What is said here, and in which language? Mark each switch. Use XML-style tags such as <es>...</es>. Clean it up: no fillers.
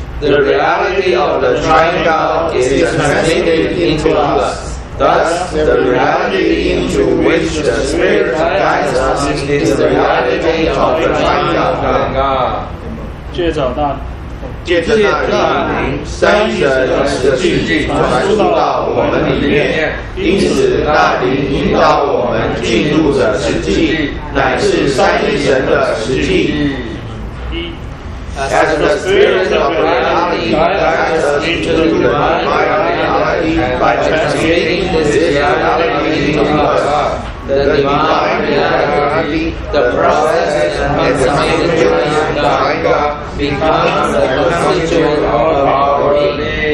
<en>the reality of the Triune God is transmitted into us. Thus, the reality into which the Spirit guides us is the reality of the Triune God.</en> <zh>借着那，借着那灵，三一神的实际传输到我们里面。因此，那灵引导我们进入的实际，乃是三一神的实际。</zh> <en>as the spirit of reality guides us into the divine reality by translating this reality into us. The divine reality, the process and consummated joy of Ganga becomes the constituent of our being.</en>